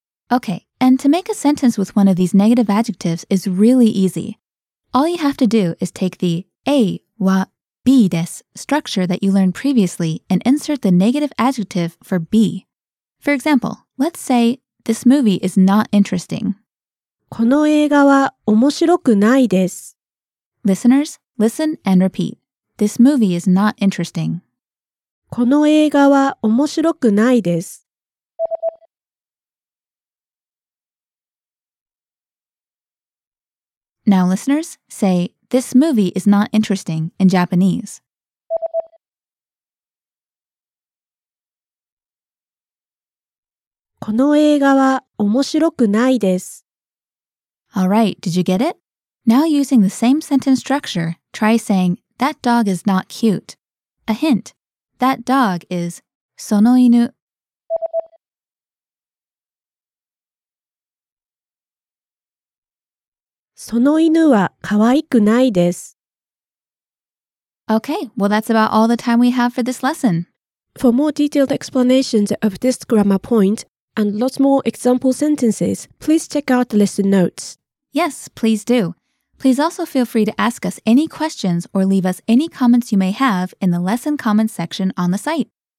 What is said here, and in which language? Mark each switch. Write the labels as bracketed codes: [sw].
[en] Okay, and to make a sentence with one of these negative adjectives is really easy. All you have to do is take the a wa B this structure that you learned previously and insert the negative adjective for B. For example, let's say this movie is not interesting. [ja] この映画は面白くないです。 [en] Listeners, listen and repeat. This movie is not interesting. [ja] この映画は面白くないです。 [en] Now listeners, say this movie is not interesting in Japanese. [ja] この映画は面白くないです。 [en] All right, did you get it? Now using the same sentence structure, try saying, that dog is not cute. A hint, that dog is その犬。 [ja] その犬は可愛くないです。 [en] Okay, well that's about all the time we have for this lesson. For more detailed explanations of this grammar point and lots more example sentences, please check out the lesson notes. Yes, please do. Please also feel free to ask us any questions or leave us any comments you may have in the lesson comments section on the site.